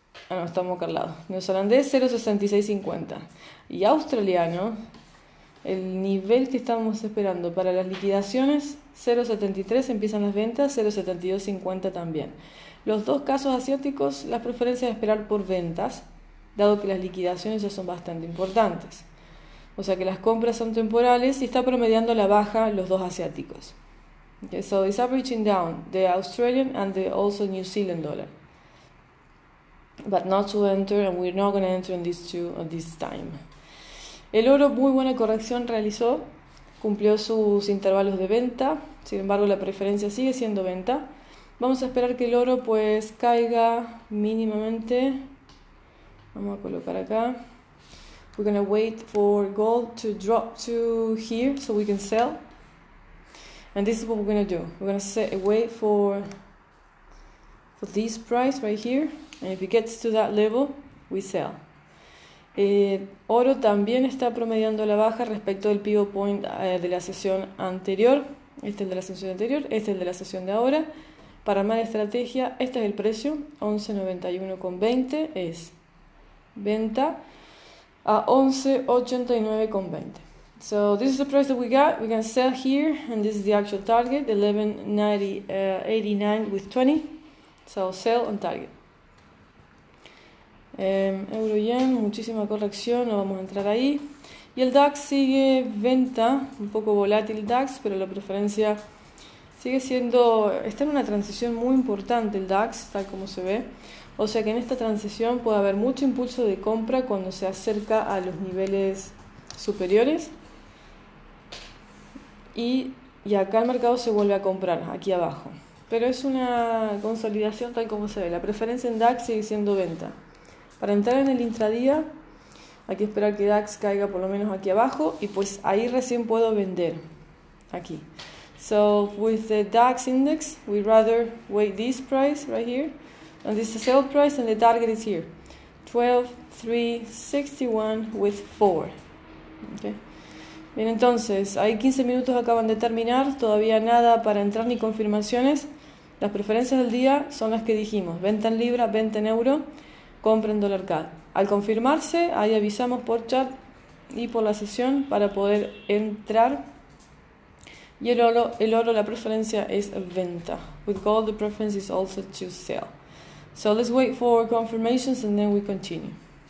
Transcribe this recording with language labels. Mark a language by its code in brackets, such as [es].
[es] No, estamos carlados. Neozelandés 0.6650. Y australiano, el nivel que estamos esperando para las liquidaciones, 0.73 empiezan las ventas, 0.7250 también. Los dos casos asiáticos, las preferencias de esperar por ventas, dado que las liquidaciones ya son bastante importantes. O sea que las compras son temporales y está promediando la baja los dos asiáticos. [en] Okay, so it's averaging down the Australian and the also New Zealand dollar. But not to enter, and we're not going to enter in these two at this time. [es] El oro, muy buena corrección realizó, cumplió sus intervalos de venta, sin embargo, la preferencia sigue siendo venta. Vamos a esperar que el oro pues caiga mínimamente. Vamos a colocar acá. [en] We're going to wait for gold to drop to here so we can sell. And this is what we're going to do. We're going to set a wait for this price right here. And if it gets to that level, we sell. [es] Oro también está promediando la baja respecto del pivot point de la sesión anterior. Este es el de la sesión anterior. Este es el de la sesión de ahora. Para armar estrategia, este es el precio. 11.91,20 es venta a 11.89,20. [en] So this is the price that we got. We can sell here, and this is the actual target, 11.90, 89 with 20. So sell on target. [es] Euro yen, muchísima corrección, no vamos a entrar ahí. Y el DAX sigue venta, un poco volátil el DAX, pero la preferencia sigue siendo, está en una transición muy importante el DAX, tal como se ve. O sea que en esta transición puede haber mucho impulso de compra cuando se acerca a los niveles superiores. Y acá el mercado se vuelve a comprar, aquí abajo. Pero es una consolidación tal como se ve. La preferencia en DAX sigue siendo venta. Para entrar en el intradía, hay que esperar que DAX caiga por lo menos aquí abajo. Y pues ahí recién puedo vender. Aquí. [en] So, with the DAX index, we'd rather wait this price right here. And this is the sale price, and the target is here. 12.361 with 4. Okay. [es] Bien, entonces, hay 15 minutos, acaban de terminar, todavía nada para entrar ni confirmaciones. Las preferencias del día son las que dijimos, venta en libra, venta en euro, compra en dólar CAD. Al confirmarse, ahí avisamos por chat y por la sesión para poder entrar. Y el oro, la preferencia es venta. [en] With gold, the preference is also to sell. So let's wait for confirmations and then we continue.